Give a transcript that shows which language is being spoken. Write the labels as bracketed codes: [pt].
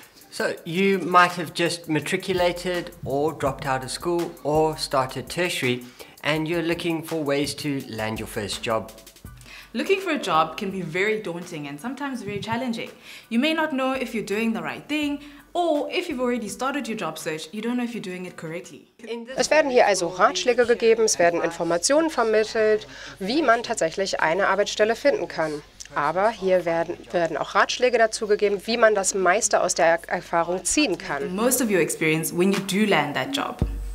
[en] So you might have just matriculated or dropped out of school or started tertiary, and you're looking for ways to land your first job. Looking for a job can be very daunting and sometimes very challenging. You may not know if you're doing the right thing, or if you've already started your job search, you don't know if you're doing it correctly. [de] Es werden hier also Ratschläge gegeben, es werden Informationen vermittelt, wie man tatsächlich eine Arbeitsstelle finden kann. Aber hier werden auch Ratschläge dazu gegeben, wie man das meiste aus der Erfahrung ziehen kann. [en] Most of your experience when you do land that job.